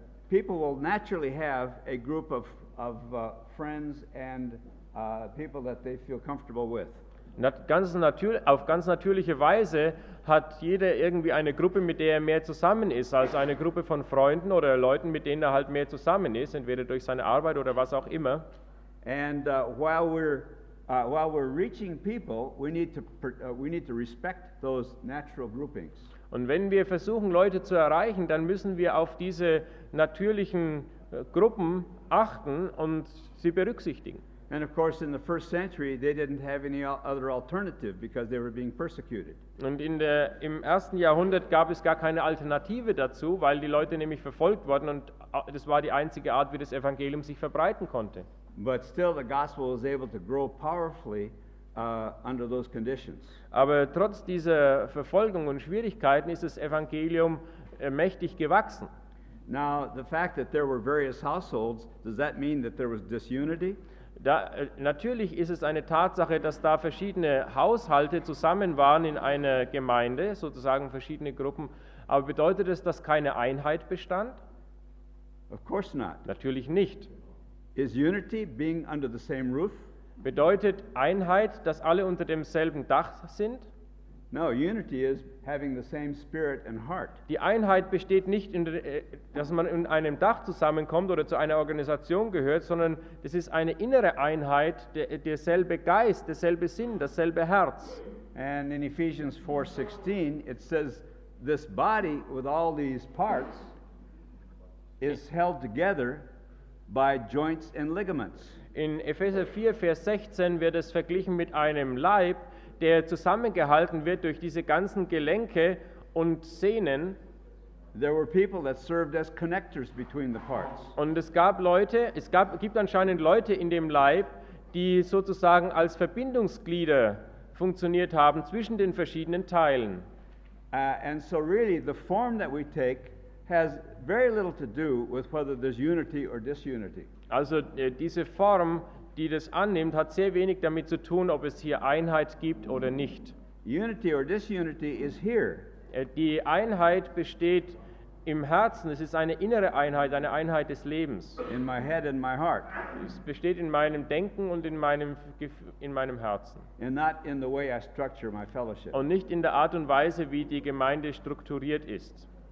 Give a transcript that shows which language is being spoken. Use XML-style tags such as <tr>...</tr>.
<en>People will naturally have a group of friends and people that they feel comfortable with.</en> <de>Auf ganz natürliche Weise hat jeder irgendwie eine Gruppe, mit der er mehr zusammen ist, als eine Gruppe von Freunden oder Leuten, mit denen er halt mehr zusammen ist, entweder durch seine Arbeit oder was auch immer.</de> <en>And while we're reaching people, we need to respect those natural groupings.</en> <de>Und wenn wir versuchen, Leute zu erreichen, dann müssen wir auf diese natürlichen Gruppen achten und sie berücksichtigen.</de> <en>And of course, in the first century, they didn't have any other alternative because they were being persecuted.</en> <de>Und in der im ersten Jahrhundert gab es gar keine Alternative dazu, weil die Leute nämlich verfolgt wurden und das war die einzige Art, wie das Evangelium sich verbreiten konnte.</de> <en>But still, the gospel was able to grow powerfully under those conditions.</en> <de>Aber trotz dieser Verfolgung und Schwierigkeiten ist das Evangelium mächtig gewachsen.</de> <en>Now, the fact that there were various households, does that mean that there was disunity?</en> <de>Natürlich ist es eine Tatsache, dass da verschiedene Haushalte zusammen waren in einer Gemeinde, sozusagen verschiedene Gruppen. Aber bedeutet es, dass keine Einheit bestand?</de> <en>Of course not.</en> <de>Natürlich nicht.</de> <en>Is unity being under the same roof?</en> <de>Bedeutet Einheit, dass alle unter demselben Dach sind?</de> <en>No, unity is having the same spirit and heart.</en> <de>Die Einheit besteht nicht in, dass man in einem Dach zusammenkommt oder zu einer Organisation gehört, sondern es ist eine innere Einheit, derselbe Geist, derselbe Sinn, dasselbe Herz.</de> <en>And in Ephesians 4:16, it says, this body with all these parts is held together by joints and ligaments.</en> <de>In Epheser 4, Vers 16 wird es verglichen mit einem Leib, der zusammengehalten wird durch diese ganzen Gelenke und Sehnen.</de> <en>There were people that served as connectors between the parts.</en> <de>Und es gab Leute, gibt anscheinend Leute in dem Leib, die sozusagen als Verbindungsglieder funktioniert haben zwischen den verschiedenen Teilen.</de> <en>And so really the form that we take has very little to do with whether there's unity or disunity.</en> <de>Also diese Form, die das annimmt, hat sehr wenig damit zu tun, ob es hier Einheit gibt oder nicht.</de> <en>Unity or disunity is here.</en> <de>Die Einheit besteht im Herzen. Es ist eine innere Einheit, eine Einheit des Lebens.</de> <en>In my head and my heart.</en> <de>Es besteht in meinem Denken und in meinem Herzen.</de> <en>And not in the way I structure my fellowship.</en> <de>Und nicht in der Art und Weise, wie die Gemeinde strukturiert ist.</de>